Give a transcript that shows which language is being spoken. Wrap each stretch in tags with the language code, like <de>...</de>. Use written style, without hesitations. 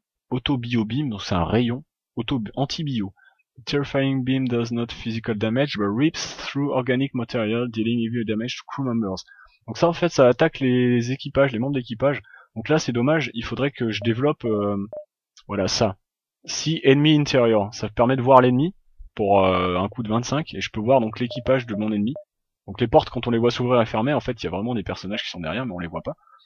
<fr>Auto-bio-beam, donc c'est un rayon anti-bio.</fr> <en>Terrifying beam does not physical damage, but rips through organic material, dealing heavy damage to crew members.</en> <fr>Donc ça, en fait, ça attaque les équipages, les membres d'équipage. Donc là, c'est dommage, il faudrait que je développe, voilà, ça.</fr> <en>See enemy interior.</en> <fr>Ça permet de voir l'ennemi pour un coup de 25, et je peux voir donc l'équipage de mon ennemi. Donc les portes, quand on les voit s'ouvrir et fermer, en fait, il y a vraiment des personnages qui sont derrière, mais on les voit pas.</fr>